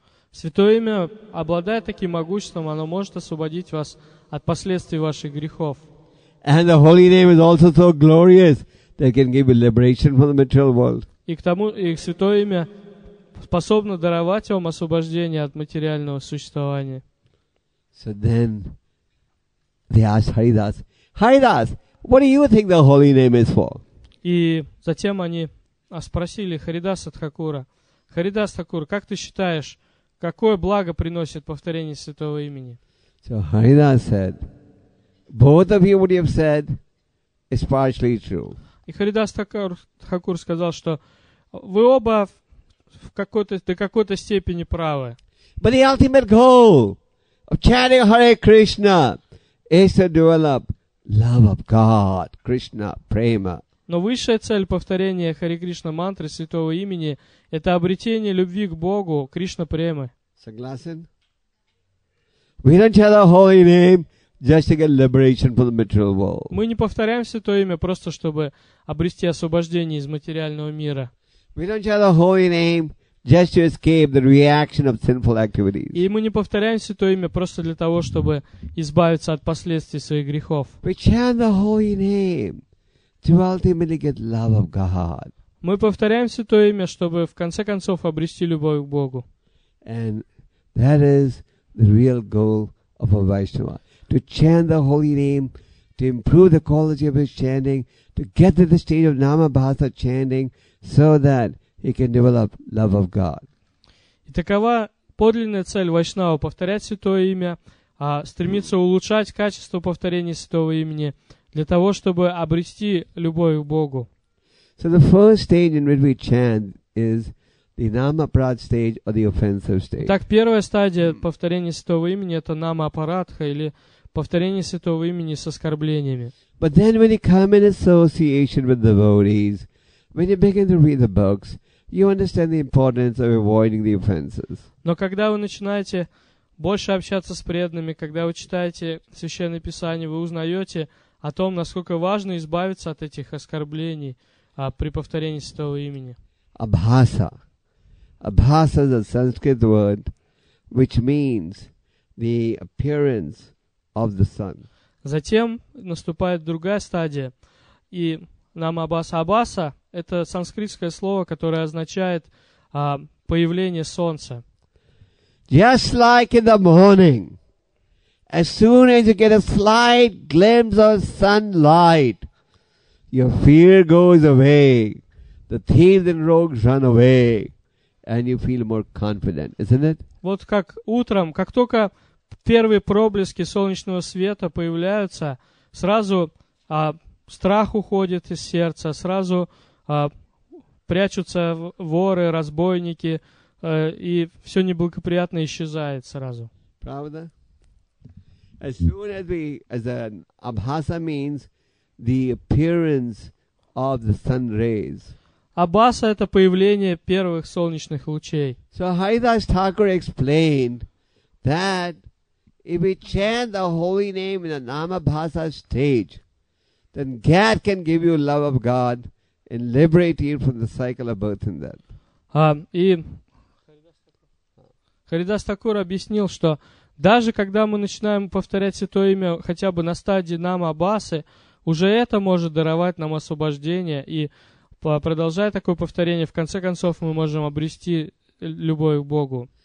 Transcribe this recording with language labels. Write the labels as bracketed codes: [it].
[ru] Святое имя обладает таким могуществом, оно может освободить вас от последствий ваших грехов. [en] And the holy name is also so glorious that it can give you liberation from the material world. [ru] И к тому, и святое имя способно даровать вам освобождение от материального существования. [en] So then they asked Haridas, "Haridas, what do you think the holy name is for?" [ru] И затем они спросили Харидаса Тхакура: "Харидас Тхакур, как ты считаешь, какое благо приносит повторение святого имени?" [en] So Haridas said, "Both of you, what you have said, is partially true." [ru] И Харидас Тхакур сказал, что вы оба в какой-то, до какой-то степени правы. [en] But the ultimate goal of chanting Hare Krishna is to develop love of God, Krishna, prema. [ru] Но высшая цель повторения Хари Кришна мантры святого имени — это обретение любви к Богу, Кришна премы. Согласен? [en] We don't chant the holy name just to get liberation from the material world. [ru] Мы не повторяем святое имя просто чтобы обрести освобождение из материального мира. [en] We don't chant the holy name just to escape the reaction of sinful activities. [ru] И мы не повторяем святое имя просто для того, чтобы избавиться от последствий своих грехов. [en] We chant the holy name to ultimately get love of God. [ru] Мы повторяем святое имя, чтобы в конце концов обрести любовь к Богу. [en] And that is the real goal of a Vaishnava: to chant the holy name, to improve the quality of his chanting, to get to the stage of Nama Bhasa chanting, so that he can develop love of God. [ru] И такова подлинная цель Вайшнава — повторять святое имя, стремиться улучшать качество повторения святого имени для того, чтобы обрести любовь к Богу. [en] So the first stage in which we chant is the Namaparadha stage or the offensive stage. [ru] Так, первая стадия повторения святого имени — это Намапарадха или повторение святого имени с оскорблениями. [en] But then when you come in association with devotees, when you begin to read the books, you understand the importance of avoiding the offenses. [ru] Но когда вы начинаете больше общаться с преданными, когда вы читаете Священное Писание, вы узнаете о том, насколько важно избавиться от этих оскорблений при повторении святого имени. [en] Abhasa. Abhasa is a Sanskrit word, which means the appearance of the sun. [ru] Затем наступает другая стадия, и Намабаса. Абаса — это санскритское слово, которое означает появление солнца. [en] Just like in the morning, as soon as you get a slight glimpse of sunlight, your fear goes away, the thieves and rogues run away, and you feel more confident, isn't it? [ru] Вот как утром, как только первые проблески солнечного света появляются, сразу страх уходит из сердца, сразу прячутся воры, разбойники, и все неблагоприятное исчезает сразу. Правда? [en] As soon as we, as an abhasa means the appearance of the sun rays. [ru] Абаса — это появление первых солнечных лучей. [en] So Haridas Thakur explained that if we chant the holy name in the Namabhasa stage, then God can give you love of God and liberate you from the cycle of birth and death. [ru] И Харидас Такур объяснил, что даже когда мы начинаем повторять святое имя хотя бы на стадии Намабасы, Уже это может даровать нам освобождение, и продолжая такое повторение, в конце концов мы можем обрести любовь к Богу,